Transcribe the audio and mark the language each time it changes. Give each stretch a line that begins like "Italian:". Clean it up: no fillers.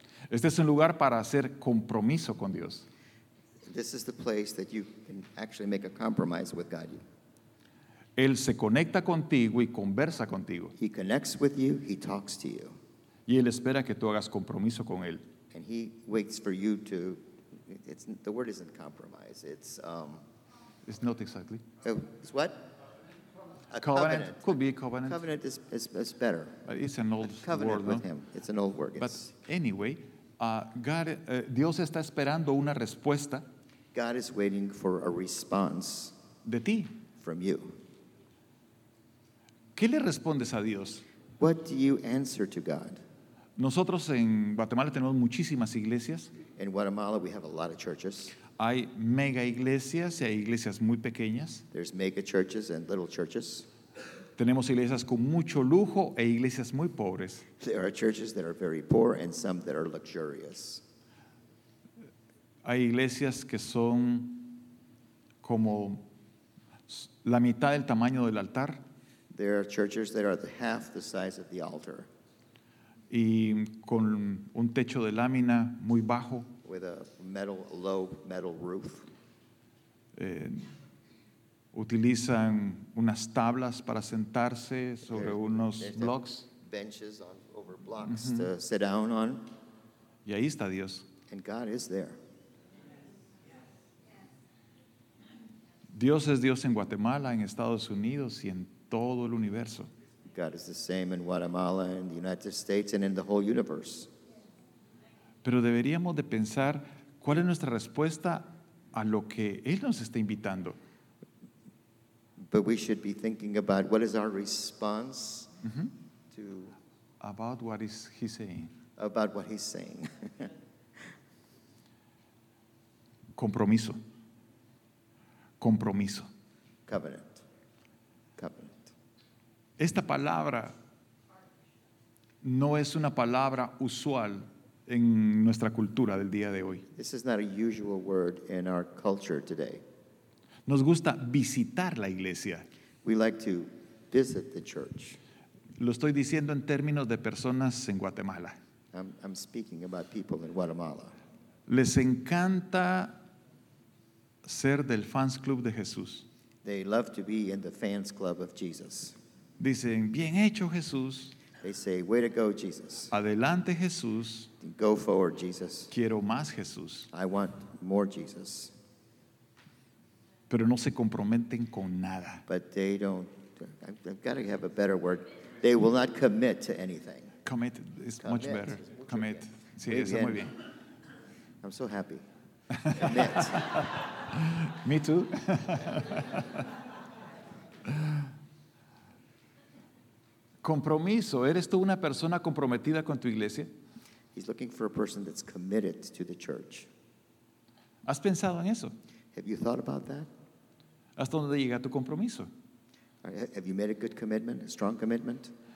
Spanish: Este es un lugar para hacer compromiso con Dios.
English: This is the place that you can actually make a compromise with God.
Spanish: Él se conecta contigo y conversa contigo.
English: He connects with you, he talks to you.
Spanish: Y él espera que tú hagas compromiso con él.
English: And he waits for you to, it's, the word isn't compromise, it's... It's not exactly. It's what? A covenant. Could be a covenant. Covenant is better. But it's an old covenant word, with no? him. It's an old word. But it's, anyway, God,
Spanish: Dios está esperando una respuesta.
English: God is waiting for a response.
Spanish: De ti.
English: From you.
Spanish: ¿Qué le respondes a Dios?
English: What do you answer to God?
Spanish: Nosotros en Guatemala tenemos muchísimas iglesias.
English: In Guatemala, we have a lot of churches.
Spanish: Hay mega iglesias y hay iglesias muy pequeñas.
English: There's mega churches and little churches.
Spanish: Tenemos iglesias con mucho lujo e iglesias muy pobres.
English: There are churches that are very poor and some that are luxurious.
Spanish: Hay iglesias que son como la mitad del tamaño del altar.
English: There are churches that are the half the size of the altar.
Spanish: Y con un techo de lámina muy bajo.
English: With a metal, low metal roof.
Spanish: Utilizan unas tablas para sentarse sobre unos blocks.
English: Benches on, over blocks mm-hmm. to sit down on.
Spanish: Y ahí está Dios.
English: And God is there.
Spanish: Dios es Dios en Guatemala, en Estados Unidos y en todo el universo.
English: God is the same in Guatemala, in the United States, and in the whole universe.
Spanish: Pero deberíamos de pensar cuál es nuestra respuesta a lo que Él nos está invitando.
English: But we should be thinking about what is our response mm-hmm. to... About what is He saying. About what He's saying.
Spanish: Compromiso. Compromiso.
English: Covenant. Covenant.
Spanish: Esta palabra no es una palabra usual en nuestra cultura del día de hoy.
English: This is not a usual word in our culture today.
Spanish: Nos gusta visitar la iglesia.
English: We like to visit the church.
Spanish: Lo estoy diciendo en términos de personas en Guatemala.
English: I'm speaking about people in Guatemala.
Spanish: Les encanta ser del fans club de Jesús.
English: They love to be in the fans club of Jesus.
Spanish: Dicen, bien hecho, Jesús.
English: They say, way to go, Jesus.
Spanish: Adelante, Jesús.
English: Go forward, Jesus.
Spanish: Quiero más, Jesús.
English: I want more, Jesus.
Spanish: Pero no se comprometen con nada.
English: But they don't, I've got to have a better word. They will not commit to anything. Commit is commit. Much better.
Spanish: Mucho
English: commit.
Spanish: Bien. Sí, está muy bien.
English: I'm so happy. Commit. Me too.
Spanish: Compromiso. ¿Eres tú una persona comprometida con tu iglesia?
English: He's looking for a person that's committed to the church.
Spanish: ¿Has pensado en eso?
English: Have you thought about that?
Spanish: ¿Hasta dónde llega tu compromiso?
English: Have you made a good commitment, a strong commitment?